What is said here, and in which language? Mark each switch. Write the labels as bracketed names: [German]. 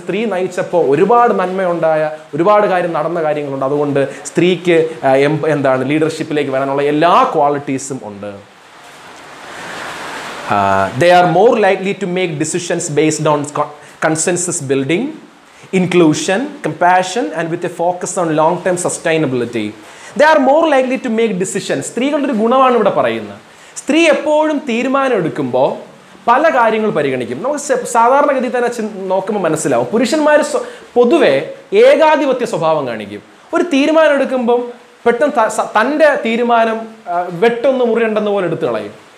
[Malayalam] സ്ത്രീ നയിച്ചപ്പോൾ ഒരുപാട് നന്മയുണ്ടായ ഒരുപാട് കാര്യം നടന്ന കാര്യങ്ങളുണ്ട്. അതുകൊണ്ട് സ്ത്രീക്ക് എന്താണ് ലീഡർഷിപ്പിലേക്ക് വരാനുള്ള എല്ലാ ക്വാളിറ്റീസും ഉണ്ട്. [English] They are more likely to make decisions based on consensus building. inclusion, compassion, and with a focus on long-term sustainability. They are more likely to make decisions. [Malayalam] സ്ത്രീകളുടെ ഒരു ഗുണമാണ് ഇവിടെ പറയുന്നത്. സ്ത്രീ എപ്പോഴും തീരുമാനം എടുക്കുമ്പോൾ പല കാര്യങ്ങൾ പരിഗണിക്കും. നമുക്ക് സാധാരണഗതിയിൽ തന്നെ നോക്കുമ്പോൾ മനസ്സിലാവും, പുരുഷന്മാർ പൊതുവെ ഏകാധിപത്യ സ്വഭാവം കാണിക്കും. ഒരു തീരുമാനം എടുക്കുമ്പം പെട്ടെന്ന് തൻ്റെ തീരുമാനം വെട്ടൊന്ന് മുറിയണ്ടെന്നുപോലെ എടുത്തു കളയും.